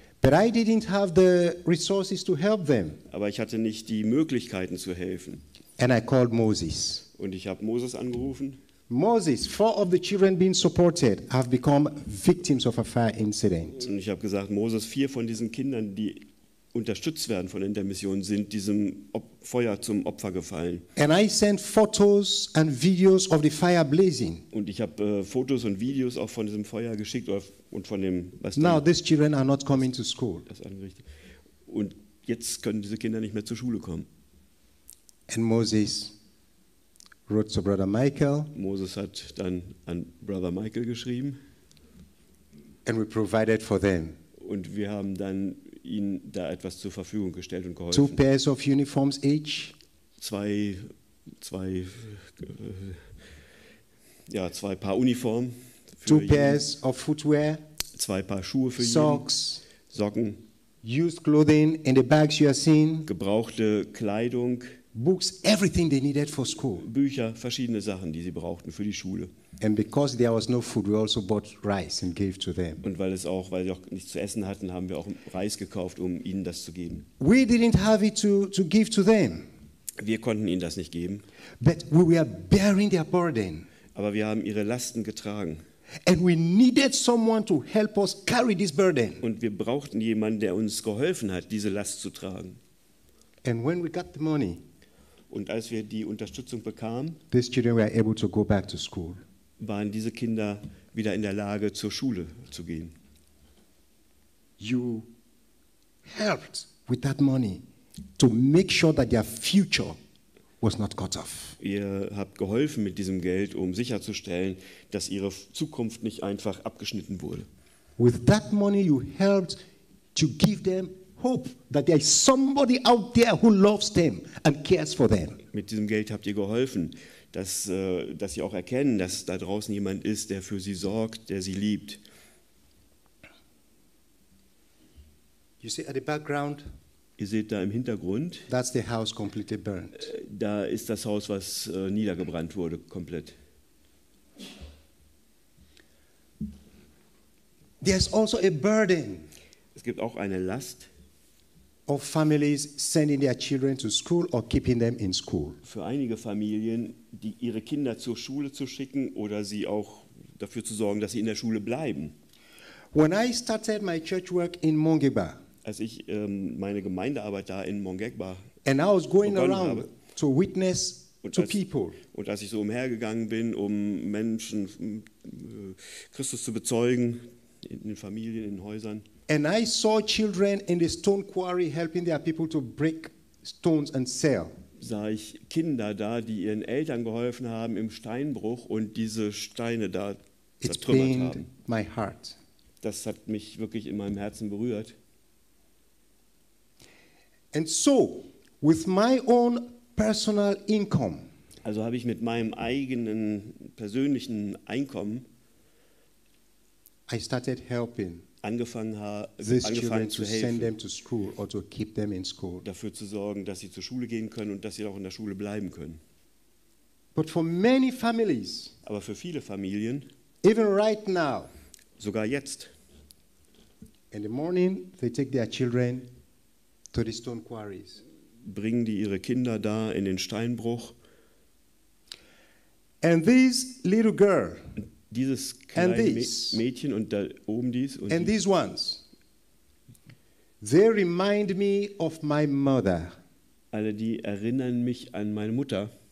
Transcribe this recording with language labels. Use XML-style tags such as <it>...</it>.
<en>But I didn't have the resources to help them.</en> <de>Aber ich hatte nicht die Möglichkeiten zu helfen.</de> <en>And I called Moses.</en> <de>Und ich habe Moses angerufen.</de> <en>Moses, four of the children being supported have become victims of a fire incident.</en> <de>Und ich habe gesagt, Moses, vier von diesen Kindern, die unterstützt werden von Intermission, sind diesem Feuer zum Opfer gefallen.</de> <en>And I sent photos and videos of the fire blazing.</en> <de>Und ich habe Fotos und Videos auch von diesem Feuer geschickt und von dem, was.</de> <en>Now these children are not coming to school.</en> <de>Das angerichtet. Und jetzt können diese Kinder nicht mehr zur Schule kommen.</de> <en>And Moses wrote to Brother Michael.</en> <de>Moses hat dann an Brother Michael geschrieben.</de> <en>And we provided for them.</en> <de>Und wir haben dann ihnen da etwas zur Verfügung gestellt und geholfen.</de> <en>Two pairs of uniforms each.</en> <de>Zwei Paar Uniformen.</de> <en>Two pairs of footwear.</en> <de>Zwei Paar Schuhe für</de> <en>Socks.</en> <de>Jeden. Socken.</de> <en>Used clothing in the bags you are seeing.</en> <de>Gebrauchte Kleidung.</de> <en>Books, everything they needed for school.</en> <de>Bücher, verschiedene Sachen, die sie brauchten für die Schule.</de> <en>And because there was no food, we also bought rice and gave to them.</en> <de>Und weil sie auch nichts zu essen hatten, haben wir auch Reis gekauft, um ihnen das zu geben.</de> <en>We didn't have it to give to them.</en> <de>Wir konnten ihnen das nicht geben.</de> <en>But we were bearing their burden.</en> <de>Aber wir haben ihre Lasten getragen.</de> <en>And we needed someone to help us carry this burden.</en> <de>Und wir brauchten jemanden, der uns geholfen hat, diese Last zu tragen.</de> <en>And when we got the money.</en> <de>Und als wir die Unterstützung bekamen,</de> <en>these children were able to go back to school.</en> <de>Waren diese Kinder wieder in der Lage, zur Schule zu gehen.</de> <en>You helped with that money to make sure that their future was not cut off.</en> <de>Ihr habt geholfen mit diesem Geld, um sicherzustellen, dass ihre Zukunft nicht einfach abgeschnitten wurde.</de> <en>With that money you helped to give them hope that there is somebody out there who loves them and cares for them.</en> <de>Mit diesem Geld habt ihr geholfen, dass sie auch erkennen, dass da draußen jemand ist, der für sie sorgt, der sie liebt.</de> <en>You see at the background,</en> <de>ihr seht da im Hintergrund,</de> <en>that's the house completely burnt.</en> <de>Da ist das Haus, was niedergebrannt wurde, komplett.</de> <en>There's also a burden.</en> <de>Es gibt auch eine Last.</de> <en>Of families sending their children to school or keeping them in school.</en> <de>Für einige Familien, die ihre Kinder zur Schule zu schicken oder sie auch dafür zu sorgen, dass sie in der Schule bleiben.</de> <en>When I started my church work in Mongegba,</en> <de>als ich meine Gemeindearbeit da in Mongegba,</de> <en>and I was going around to witness to people.</en> <de>Und als ich so umhergegangen bin, um Menschen Christus zu bezeugen in den Familien, in den Häusern.</de> <en>And I saw children in the stone quarry helping their people to break stones and sell.</en> <de>Sah ich Kinder da, die ihren Eltern geholfen haben im Steinbruch und diese Steine da zertrümmert haben.</de> <en>It pained my heart.</en> <de>Das hat mich wirklich in meinem Herzen berührt.</de> <en>And so, With my own personal income.</en> <de>Also habe ich mit meinem eigenen persönlichen Einkommen</de> <en>I started helping</en> <de>angefangen zu helfen,</de> <en>send them to school or to keep them in school.</en> <de>Dafür zu sorgen, dass sie zur Schule gehen können und dass sie auch in der Schule bleiben können.</de> <en>But for many families,</en> <de>aber für viele Familien,</de> <en>even right now,</en> <de>sogar jetzt,</de> <en>in the morning they take their children to the stone quarries.</en> <de>Bringen die ihre Kinder da in den Steinbruch.</de> <en>And this little girl,</en> <de>dieses kleine Mädchen und da oben dies und</de> <en>and these ones, they remind me of my mother.</en> <de>Alle die erinnern mich an meine Mutter.</de>